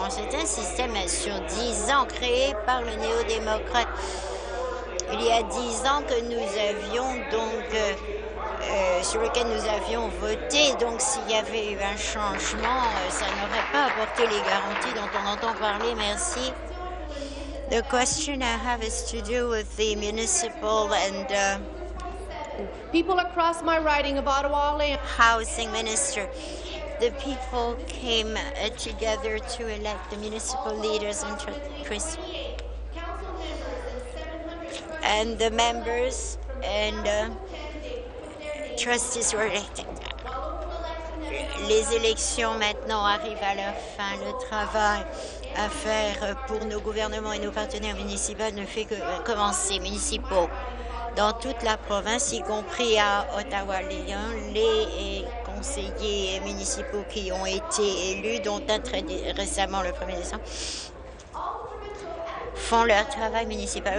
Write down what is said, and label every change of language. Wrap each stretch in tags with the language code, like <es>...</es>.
<fr>C'est un système sur 10 ans créé par le néo-démocrate. Il y a 10 ans que nous avions donc... sur lequel nous avions voté. Donc, s'il y avait eu un changement, ça n'aurait pas apporté les garanties dont on entend parler. Merci.</fr> <en>The question I have is to do with the municipal and people across my riding of Ottawa housing minister. The people came together to elect the municipal leaders and Chris and the members and trustees were elected.</en> <fr>Les élections maintenant arrivent à leur fin. Le travail à faire pour nos gouvernements et nos partenaires municipaux ne fait que commencer. Municipaux dans toute la province, y compris à Ottawa-Lyon, les conseillers municipaux qui ont été élus, dont un très récemment le 1er décembre, font leur travail municipal.</fr>